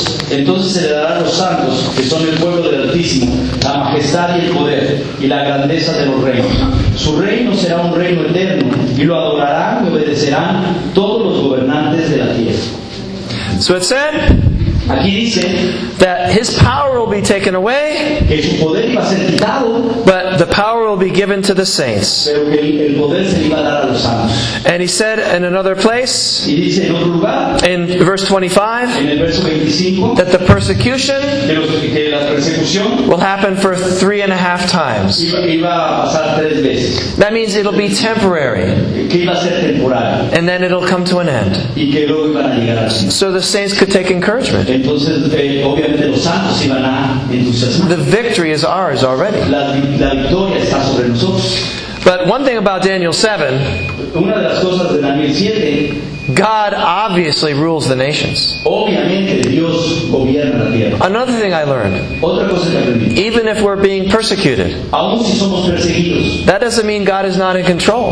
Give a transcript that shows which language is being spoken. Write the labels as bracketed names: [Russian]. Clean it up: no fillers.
[Spanish] Entonces se le darán los santos, que son el pueblo del Altísimo, la majestad y el poder y la grandeza de los reinos. Su reino será un reino eterno y lo adorarán y obedecerán todos los gobernantes de la tierra. [English] So it said, [Spanish] aquí dice, [English] that his power will be taken away, [Spanish] que su poder iba a ser quitado, [English] but the power will be given to the saints. [Spanish] Pero que el poder se iba a dar a los santos. [English] And he said in another place, [Spanish] y dice en otro lugar, [English] in verse 25, [Spanish] en el verso 25, [English] that the persecution [Spanish] que la persecución [English] will happen for 3.5 times. [Spanish] Iba a pasar 3 veces. [English] That means it'll be temporary. [Spanish] Que iba a ser temporal. [English] And then it'll come to an end. [Spanish] Y que luego iban a llegar a los [English] santos. So the saints could take encouragement. [Spanish] Entonces, obviamente, los santos iban a entusiasmar. [English] The victory is ours already. [Spanish] La victoria está sobre nosotros. [English] But one thing about Daniel 7, [Spanish] una de las cosas de Daniel 7, [English] God obviously rules the nations. [Spanish] Obviamente, Dios gobierna la tierra. [English] Another thing I learned, [Spanish] otra cosa que aprendí, [English] even if we're being persecuted, [Spanish] aun si somos perseguidos, [English] that doesn't mean God is not in control.